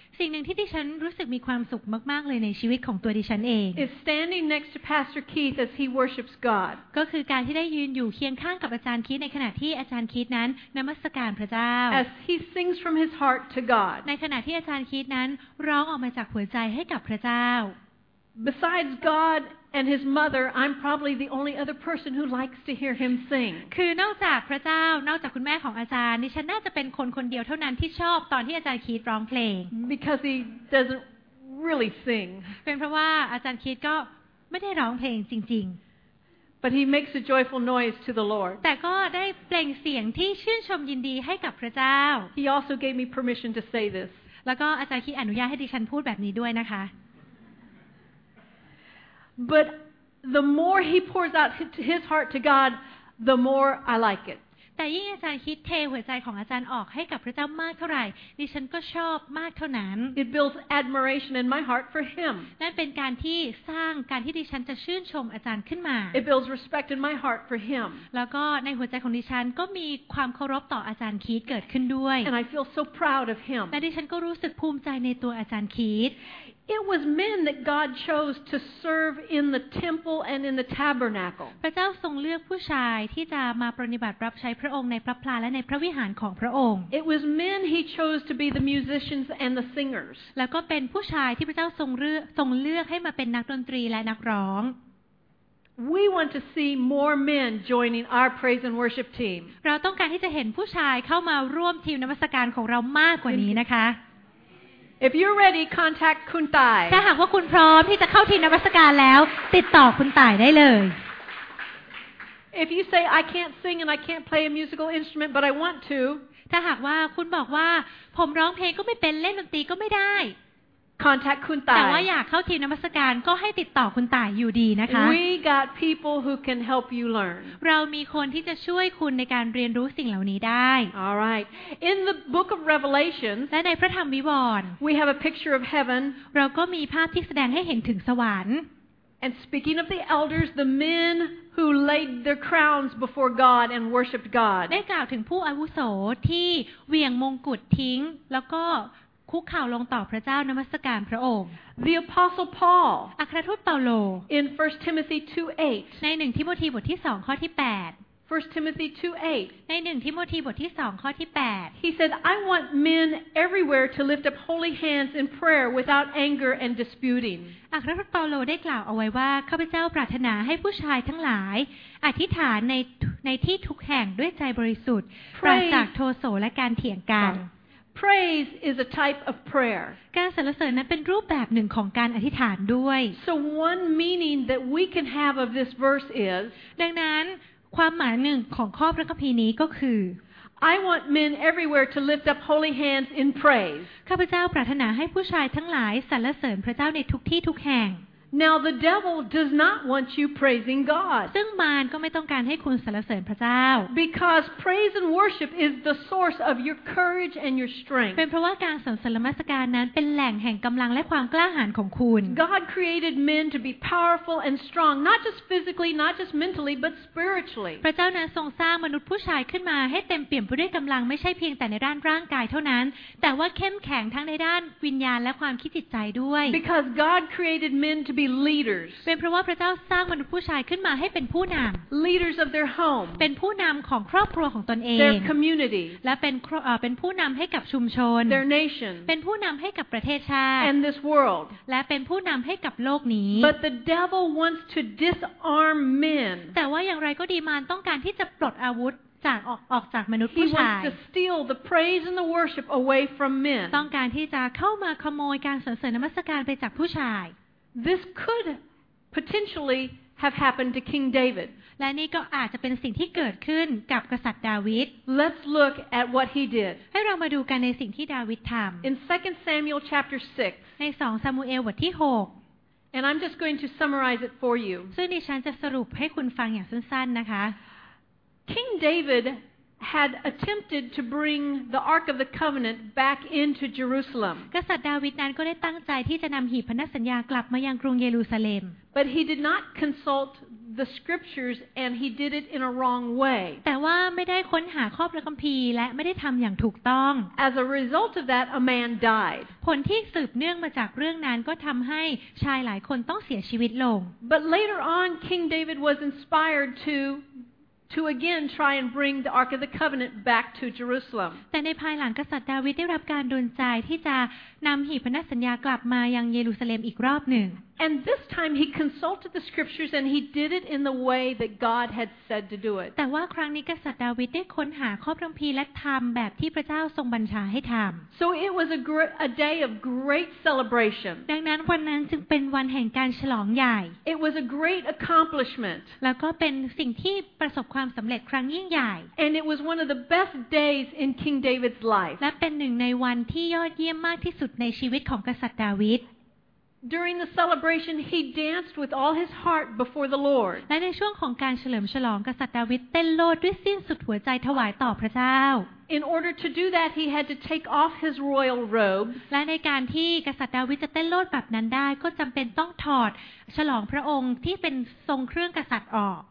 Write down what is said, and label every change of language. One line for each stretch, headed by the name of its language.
Thai: สิ่งหนึ่งที่ดิฉันรู้สึกมีความสุขมากๆเลยในชีวิตของตัวดิฉันเอง
English: Is standing next to Pastor Keith as he worships God
Thai: ก็คือการที่ได้ยืนอยู่เคียงข้างกับอาจารย์คีธในขณะที่อาจารย์คีธนั้นนมัสการพระเจ้า
English: As he sings from his heart to God
Thai: ในขณะที่อาจารย์คีธนั้นร้องออกมาจากหัวใจให้กับพระเจ้า
English: Besides God and his mother I'm probably the only other person who likes to hear him sing
Thai: คือนอกจากพระเจ้านอกจากคุณแม่ของอาจารย์ดิฉันน่าจะเป็นคนคนเดียวเท่านั้นที่ชอบตอนที่อาจารย์คีธร้องเพลง
English: Because he doesn't really sing
Thai: เป็นเพราะว่าอาจารย์คีธก็ไม่ได้ร้องเพลงจริง
English: ๆ But he makes a joyful noise to the Lord
Thai: แต่ก็ได้เปล่งเสียงที่ชื่นชมยินดีให้กับพระเจ้า
English: He also gave me permission to say this
Thai: แล้วก็อาจารย์คีธอนุญาตให้ดิฉันพูดแบบนี้ด้วยนะคะ
English: But the more he pours out his heart to God, the more I like it.
Thai: แต่ยิ่งอาจารย์คิดเทหัวใจของอาจารย์ออกให้กับพระเจ้ามากเท่าไหร่ดิฉันก็ชอบมากเท่านั้น
English: It builds admiration in my heart for him.
Thai: นั่นเป็นการที่สร้างการที่ดิฉันจะชื่นชมอาจารย์ขึ้นมา
English: It builds respect in my heart for him.
Thai: แล้วก็ในหัวใจของดิฉันก็มีความเคารพต่ออาจารย์คิดเกิดขึ้นด้วย
English: And I feel so proud of him.
Thai: และดิฉันก็รู้สึกภูมิใจในตัวอาจารย์คิด
English: It was men that God chose to serve in the temple and in the tabernacle.
Thai: พระเจ้าทรงเลือกผู้ชายที่จะมาปรนิบัติรับใช้พระองค์ในพระพลาและในพระวิหารของพระองค์
English: It was men he chose to be the musicians and the singers.
Thai: แล้วก็เป็นผู้ชายที่พระเจ้าทรงเลือกให้มาเป็นนักดนตรีและนักร้อง
English: We want to see more men joining our praise and worship team.
Thai: เราต้องการที่จะเห็นผู้ชายเข้ามาร่วมทีมนมัสการของเรามากกว่านี้นะคะ
English: If you're ready, contact Khun Thai.
Thai: ถ้าหากว่าคุณพร้อมที่จะเข้าทีมนมัสการแล้วติดต่อคุณต่ายได้เลย
English: If you say I can't sing and I can't play a musical instrument but I want to.
Thai: ถ้าหากว่าคุณบอกว่าผมร้องเพลงก็ไม่เป็นเล่นดนตรีก็ไม่ได้ contact คุณต ายแต่ว่าอยากเข้าทีมนมัสการก็ให้ติดต่อคุณตายอยู่ดีนะคะ
English: We got people who can help you learn
Thai: เรามีคนที่จะช่วยคุณในการเรียนรู้สิ่งเหล่านี้ได้
English: All right In the book of Revelation
Thai: และในพระธรรมวิวรณ์
English: We have a picture of heaven
Thai: เราก็มีภาพที่แสดงให้เห็นถึงสวรรค์
English: And speaking of the elders, the men who laid their crowns before God and worshipped God.
Thai: ได้กล่าวถึงผู้อาวุโสที่เหวี่ยงมงกุฎทิ้งแล้วก็คุกเข่าลงต่อพระเจ้านมัสการพระองค์
English: The Apostle Paul.
Thai: อัครทูตเปาโล
English: In 1 Timothy 2:8.
Thai: ใน1ทิโมธีบทที่2ข้อที่8
English: 1 Timothy 2:8
Thai: ใน1ทิโมธีบทที่2ข้อที่8
English: He said, "I want men everywhere to lift up holy hands in prayer without anger and disputing."
Thai: อัครทูตเปาโลได้กล่าวเอาไว้ว่าข้าพเจ้าปรารถนาให้ผู้ชายทั้งหลายอธิษฐานในที่ทุกแห่งด้วยใจบริสุทธิ์ปราศจากโทโสและการเถียงกัน
English: Praise is a type of prayer.
Thai: การสรรเสริญนั้นเป็นรูปแบบหนึ่งของการอธิษฐานด้วย
English: So one meaning that we can have of this verse is
Thai: ดังนั้นความหมายหนึ่งของข้อพระคัมภีร์นี้ก็คือ
English: I want men everywhere to lift up holy hands in praise
Thai: ข้าพเจ้าปรารถนาให้ผู้ชายทั้งหลายสรรเสริญพระเจ้าในทุกที่ทุกแห่ง
English: Now the devil does not want you praising God
Thai: ซึ่งมารก็ไม่ต้องการให้คุณสรรเสริญพระเจ้า
English: Because praise and worship is the source of your courage and your strength
Thai: เป็นเพราะว่าการสรรเสริญนมัสการนั้นเป็นแหล่งแห่งกำลังและความกล้าหาญของคุณ
English: God created men to be powerful and strong not just physically not just mentally but spiritually
Thai: พระเจ้านั้นทรงสร้างมนุษย์ผู้ชายขึ้นมาให้เต็มเปี่ยมไปด้วยกำลังไม่ใช่เพียงแต่ในด้านร่างกายเท่านั้นแต่ว่าเข้มแข็งทั้งในด้านวิญญาณและความคิดจิตใจด้วย
English: Because God created men to beLeaders.
Thai: เป็นเพราะว่าพระเจ้าสร้างมนุษย์ผู้ชายขึ้นมาให้เป็นผู้นำ
English: Leaders of their home.
Thai: เป็นผู้นำของครอบครัวของตนเอง
English: Their community.
Thai: และเป็นผู้นำให้กับชุมชน
English: Their nation.
Thai: เป็นผู้นำให้กับประเทศชาติ
English: And this world.
Thai: และเป็นผู้นำให้กับโลกนี้
English: But the devil wants to disarm men.
Thai: แต่ว่าอย่างไรก็ดีมารต้องการที่จะปลดอาวุธออกจากมนุษย์ผู้ชาย
English: He wants to steal the praise and the worship away from men.
Thai: ต้องการที่จะเข้ามาขโมยการสรรเสริญนมัสการไปจากผู้ชาย
English: This could potentially have happened to King David.
Thai: และนี่ก็อาจจะเป็นสิ่งที่เกิดขึ้นกับกษัตริย์ดาวิด
English: Let's look at what he did.
Thai: ให้เรามาดูกันในสิ่งที่ดาวิดทำ
English: In 2 Samuel chapter 6.
Thai: ใน2ซามูเอลบทที่6
English: And I'm just going to summarize it for you.
Thai: ซึ่งดิฉันจะสรุปให้คุณฟังอย่างสั้นๆนะคะ
English: King David had attempted to bring the Ark of the Covenant back into Jerusalem.
Thai: กษัตริย์ดาวิดนั้นก็ได้ตั้งใจที่จะนำหีบพันธสัญญากลับมายังกรุงเยรูซาเล็ม
English: But he did not consult the scriptures and he did it in a wrong way.
Thai: แต่ว่าไม่ได้ค้นหาข้อพระคัมภีร์และไม่ได้ทำอย่างถูกต้อง
English: As a result of that, a man died.
Thai: ผลที่สืบเนื่องมาจากเรื่องนั้นก็ทำให้ชายหลายคนต้องเสียชีวิตลง
English: But later on, King David was inspired to again try and bring the Ark of the Covenant back to Jerusalem.
Thai: แต่ในภายหลังกษัตริย์ดาวิดได้รับการดลใจที่จะนำหีบพันธสัญญากลับมายังเยรูซาเล็มอีกรอบหนึ่ง
English: And this time he consulted the scriptures and he did it in the way that God had said to do it.
Thai: แต่ว่าครั้งนี้กษัตริย์ดาวิดได้ค้นหาข้อพระคัมภีร์และทำแบบที่พระเจ้าทรงบัญชาให้ทำ
English: So it was a day of great celebration.
Thai: ดังนั้นวันนั้นจึงเป็นวันแห่งการฉลองใหญ่
English: It was a great accomplishment.
Thai: แล้วก็เป็นสิ่งที่ประสบความสำเร็จครั้งยิ่งใหญ่
English: And it was one of the best days in King David's life.
Thai: และเป็นหนึ่งในวันที่ยอดเยี่ยมมากที่สุดในชีวิตของกษัตริย์ดาวิด
English: During the celebration, he danced with all his heart before the Lord.
Thai: และในช่วงของการเฉลิมฉลองกษัตริย์ดาวิดเต้นโลดด้วยสิ้นสุดหัวใจถวายต่อพระเจ้า
English: In order to do that, he had to take off his royal robe.
Thai: และในการที่กษัตริย์ดาวิดจะเต้นโลดแบบนั้นได้ก็จำเป็นต้องถอดฉลองพระองค์ที่เป็นทรงเครื่องกษัตริย์ออก